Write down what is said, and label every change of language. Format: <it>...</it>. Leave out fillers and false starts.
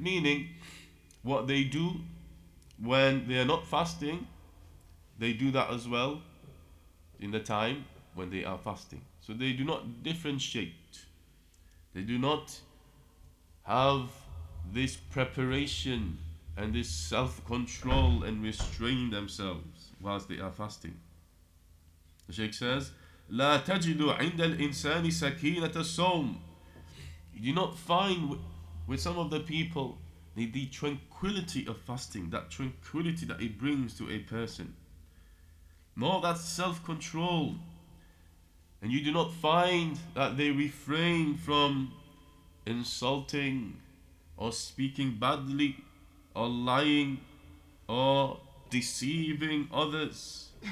<en>Meaning, what they do when they are not fasting, they do that as well in the time when they are fasting. So they do not differentiate. They do not have this preparation and this self-control and restrain themselves whilst they are fasting. The Sheikh says,</en> <ar>لا تجد عند الإنسان سكينة الصوم.</ar> <en>You do not find with some of the people the tranquility of fasting, that tranquility that it brings to a person, nor that self-control. And you do not find that they refrain from insulting or speaking badly or lying or deceiving others.</en>